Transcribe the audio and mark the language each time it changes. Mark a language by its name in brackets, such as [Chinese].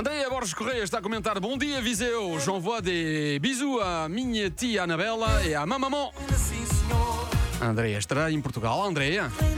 [Portuguese] Jorge Correia está a comentar: bom dia, Viseu. [French] J'envoie des bisous à [Portuguese] minha tia Anabela e [French] à ma maman. [Portuguese] Andréia estará em Portugal. Andréia.